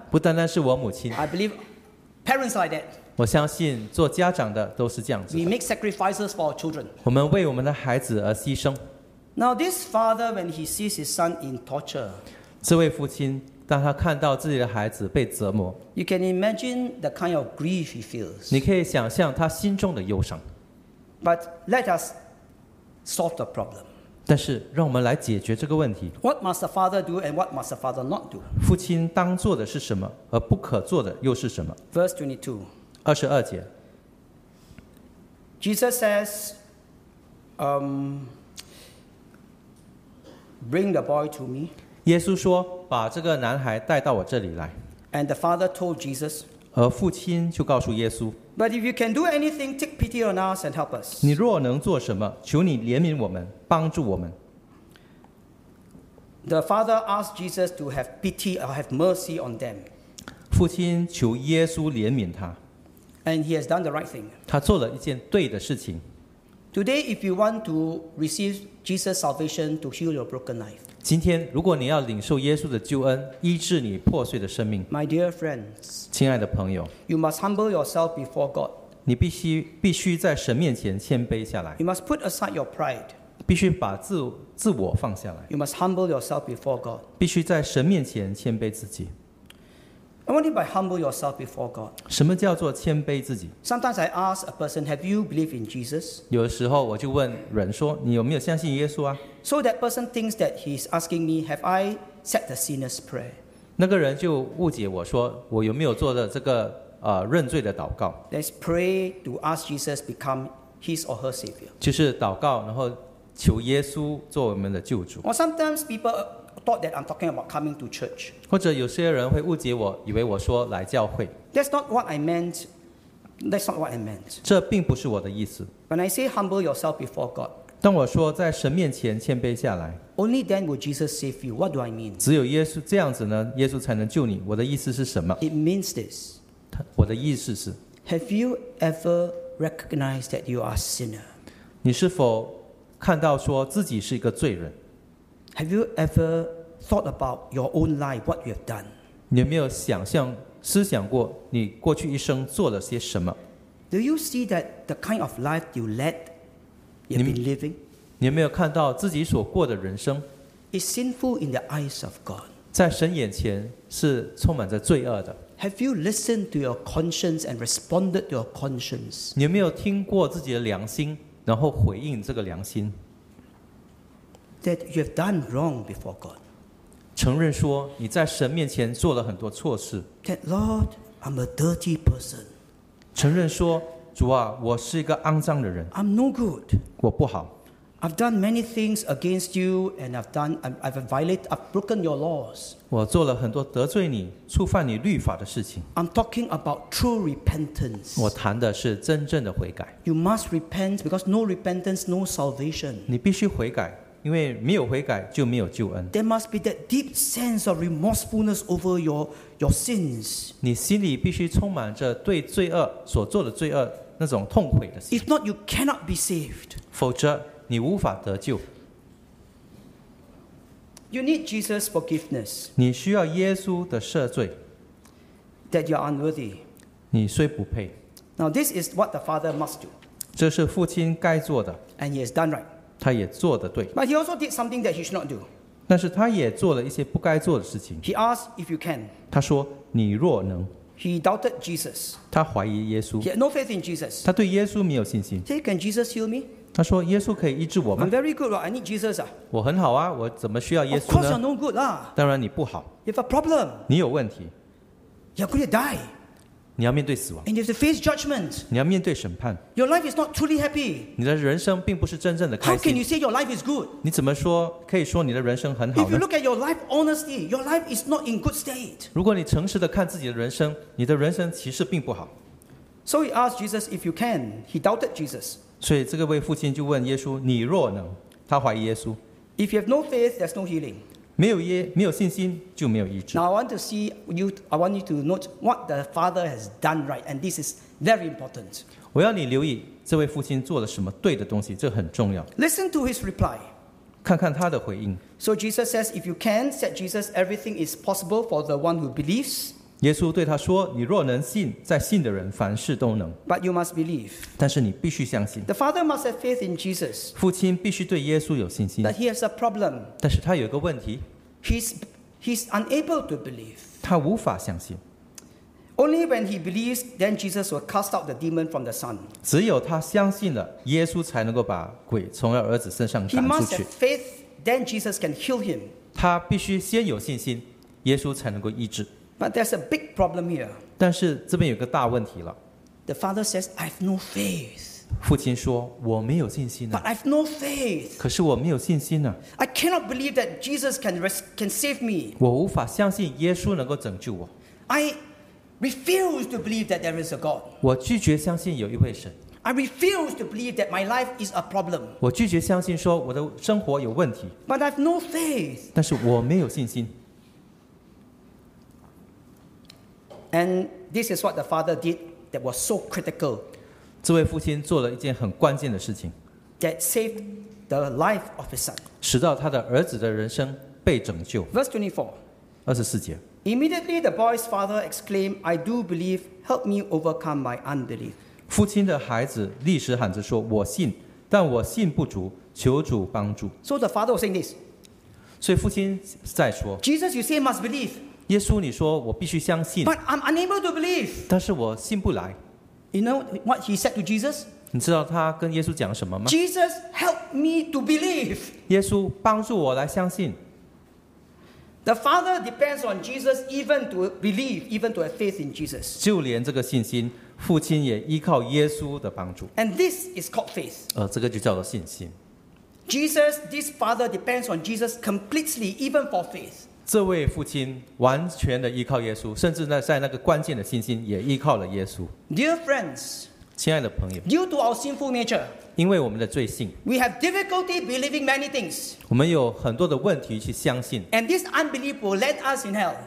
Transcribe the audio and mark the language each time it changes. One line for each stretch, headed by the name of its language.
Chinese: 不单单是我母亲。
English: I believe parents like that.
Chinese: 我相信做家长的都是这样子的。
English: We make sacrifices for our children.
Chinese: 我们为我们的孩子而牺牲。
English: Now this father, when he sees his son in torture.
Chinese: 这位父亲当他看到自己的孩子被折磨。
English: You can imagine the kind of grief he feels.
Chinese: 你可以想象他心中的忧伤。
English: But let us solve the problem.
Chinese: 但是让我们来解决这个问题。
English: What must the father do and what must the father not do?
Chinese: 父亲当做的是什么，而不可做的又是什么？
English: Verse 22.
Chinese: 22节。
English: Jesus says, bring the boy to me.
Chinese: 耶稣说，把这个男孩带到我这里来。
English: And the father told Jesus.
Chinese: 而父亲就告诉耶稣。
English: But if you can do anything, take pity on us and help us.
Chinese: 你若能做什么，求你怜悯我们，帮助我们。
English: The father asked Jesus to have pity or have mercy on them.
Chinese: 父亲求耶稣怜悯他。
English: And he has done the right thing.
Chinese: 他做了一件对的事情。
English: Today, if you want to receive Jesus' salvation to heal your broken life.
Chinese: 今天，如果你要领受耶稣的救恩，医治你破碎的生命。
English: My dear friends.
Chinese: 亲爱的朋友。
English: You must humble yourself before God.
Chinese: 你必须在神面前谦卑下来。
English: You must put aside your pride.
Chinese: 必须把自我放下来。
English: You must humble yourself before God.
Chinese: 必须在神面前谦卑自己。
English: I want you to humble yourself before God.
Chinese: 什么叫做谦卑自己？
English: Sometimes I ask a person, have you believed in Jesus?
Chinese: 有的时候我就问人说，你有没有相信耶稣啊？
English: So that person thinks that he's asking me, have I said the sinner's prayer?
Chinese: 那个人就误解我说，我有没有做的这个认罪的祷告？
English: Let's pray to ask Jesus become his or her savior.
Chinese: 就是祷告，然后求耶稣做我们的救主。
English: Or sometimes people. Thought that I'm talking about coming to church.
Chinese: 或者有些人会误解我，以为我说来教会。
English: That's not what I meant. That's not what I meant.
Chinese: 这并不是我的意思。
English: When I say humble yourself before God.
Chinese: 当我说在神面前谦卑下来。
English: Only then will Jesus save you. What do I mean?
Chinese: 只有耶稣这样子呢，耶稣才能救你。我的意思是什么
English: ？It means this.
Chinese: 我的意思是。
English: Have you ever recognized that you are a sinner?
Chinese: 你是否看到说自己是一个罪人？
English: Have you ever thought about your own life, what you have done?
Chinese: 你有没有思想过你过去一生做了些什么？
English: Do you see that the kind of life you led, you've been living?
Chinese: 你有没有看到自己所过的人生？
English: It's sinful in the eyes of God.
Chinese: 在神眼前是充满着罪恶的。
English: Have you listened to your conscience and responded to your conscience?
Chinese: 你有没有听过自己的良心，然后回应这个良心？
English: That you have done wrong before God.
Chinese: 承认说你在神面前做了很多错事。
English: That Lord, I'm a dirty person.
Chinese: 承认说主啊，我是一个肮脏的人。
English: I'm no good.
Chinese: 我不好。
English: I've done many things against you, and I've violated, I've broken your laws.
Chinese: 我做了很多得罪你、触犯你律法的事情。
English: I'm talking about true repentance.
Chinese: 我谈的是真正的悔改。
English: You must repent because no repentance, no salvation.
Chinese: 你必须悔改，因为没有悔改就没有救恩。
English: There must be that deep sense of remorsefulness over your sins.
Chinese: 你心里必须充满着对罪恶所做的罪恶那种痛悔的心。
English: If not, you cannot be saved.
Chinese: 否则你无法得救。
English: You need Jesus' forgiveness.
Chinese: 你需要耶稣的赦罪。
English: That you are unworthy.
Chinese: 你虽不配。
English: Now this is what the Father must do.
Chinese: 这是父亲该做的。
English: And he has done right.
Chinese: 他也做得对。
English: But he also did something that he should not do.
Chinese: 但是他也做了一些不该做的事情。
English: He asked if you can.
Chinese: 他说你若能。
English: He doubted Jesus.
Chinese: 他怀疑耶稣。
English: He had no faith in Jesus.
Chinese: 他对耶稣没有信心。
English: Say, can Jesus heal me?
Chinese: 他说：“耶稣可以医治我吗
English: ？”I'm very good, I need Jesus.
Chinese: 我很好啊，我怎么需要耶稣呢
English: ？Of course, you're no good, lah.
Chinese: 当然你不好。
English: You have a problem.
Chinese: 你有问题。
English: You're going to die.
Chinese: 你要面对死亡。
English: And you have to face judgment.
Chinese: 你要面对审判。
English: Your life is not truly happy.
Chinese: 你的人生并不是真正的开心。
English: How can you say your life is good?
Chinese: 你怎么说可以说你的人生很好呢
English: ？If you look at your life honestly, your life is not in good state.
Chinese: 如果你诚实的看自己的人生，你的人生其实并不好。
English: So he asked Jesus if you can. He doubted Jesus.
Chinese: 所以这个位父亲就问耶稣：“你若能？” 他怀疑耶稣。
English: If you have no faith, there's no healing.
Chinese: 没有信心就没有医治。
English: Now I want to see you. I want you to note what the Father has done right, and this is very important.
Chinese: 我要你留意这位父亲做了什么对的东西，这很重要。
English: Listen to his reply.
Chinese: 看看他的回应。
English: So Jesus says, "If you can," said Jesus, "everything is possible for the one who believes."
Chinese: 耶稣对他说：“你若能信，在信的人凡事都能。”
English: But you must believe.
Chinese: 但是你必须相信。
English: The Father must have faith in Jesus.
Chinese: 父亲必须对耶稣有信心。
English: But he has a problem.
Chinese: 但是他有一个问题。
English: He's unable to believe.
Chinese: 他无法相信。
English: Only when he believes, then Jesus will cast out the demon from the son.
Chinese: 只有他相信了，耶稣才能够把鬼从儿子身上赶出去。
English: He must have faith, then Jesus can heal him.
Chinese: 他必须先有信心，耶稣才能够医治。
English: But there's a big problem here.
Chinese: 但是这边有个大问题了。
English: The father says, "I have no faith."
Chinese: 父亲说我没有信心呢。
English: But I have no faith.
Chinese: 可是我没有信心呢。
English: I cannot believe that Jesus can save me.
Chinese: 我无法相信耶稣能够拯救我。
English: I refuse to believe that there is a God.
Chinese: 我拒绝相信有一位神。
English: I refuse to believe that my life is a problem.
Chinese: 我拒绝相信说我的生活有问题。
English: But I have no faith.
Chinese: 但是我没有信心。
English: And this is what the father did that was so critical.
Chinese: 这位父亲做了一件很关键的事情。
English: That saved the life of his son.
Chinese: 使到他的儿子的人生被拯救。
English: Verse 24.
Chinese: 二十四节。
English: Immediately the boy's father exclaimed, "I do believe. Help me overcome my unbelief."
Chinese: 父亲的孩子立时喊着说：“我信，但我信不足，求主帮助。”
English: So the father was saying this.
Chinese: 所以父亲在说
English: ：“Jesus, you say must believe.”
Chinese: 耶稣，你说我必须相信。
English: But I'm unable to believe.
Chinese: 但是我信不来。
English: You know what he said to Jesus?
Chinese: 你知道他跟耶稣讲什么吗
English: ？Jesus, help me to believe.
Chinese: 耶稣帮助我来相信。
English: The Father depends on Jesus even to believe, even to have faith in Jesus.
Chinese: 就连这个信心，父亲也依靠耶稣的帮助。
English: And this is called faith.
Chinese: 这个就叫做信心。
English: Jesus, this Father depends on Jesus completely, even for faith.
Chinese: 这位父亲完全的依靠耶稣，甚至在那个关键的信心也依靠了耶稣。
English: Dear friends,
Chinese: 亲爱的朋友
English: ，due to our sinful nature,
Chinese: 因为我们的罪性
English: ，we have difficulty believing many things.
Chinese: 我们有很多的问题去相信。
English: And this unbelief will let us in hell.